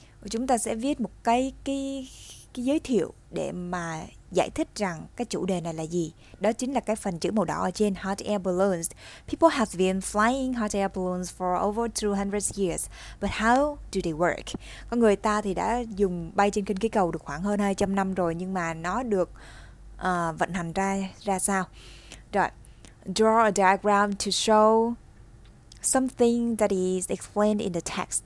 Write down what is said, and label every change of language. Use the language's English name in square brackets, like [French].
[Vietnamese] Chúng ta sẽ viết một cái giới thiệu để mà giải thích rằng cái chủ đề này là gì. Đó chính là cái phần chữ màu đỏ ở trên, [English] hot air balloons. People have been flying hot air balloons for over 200 years, but how do they work? [Vietnamese] Có người ta thì đã dùng bay trên khinh khí cầu được khoảng hơn 200 năm rồi, nhưng mà nó được vận hành ra sao? Rồi, [English] draw a diagram to show something that is explained in the text.